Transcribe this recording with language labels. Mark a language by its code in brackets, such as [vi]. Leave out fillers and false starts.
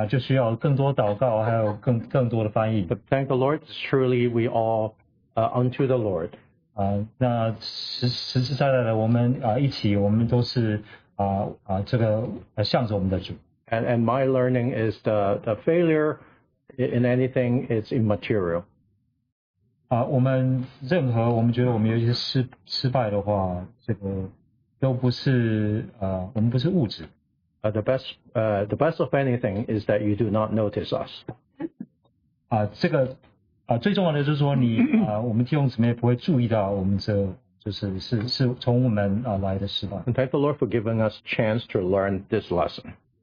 [zh] 他忘记，那其他弟兄姊妹就需要更多祷告，还有更多的翻译。 [en] But thank the Lord, truly we all unto the Lord. [zh] 那实实在在的，我们一起，我们都是这个向着我们的主。 [en] And my learning is the failure in anything is immaterial. [zh] 我们任何我们觉得我们有一些失败的话，这个都不是我们不是物质。 [en] The best of anything is that you do not notice us. [zh] 这个最重要的就是说你我们弟兄姊妹不会注意到我们这就是从我们来的失败。 [en] And thank the Lord for giving us chance to learn this lesson.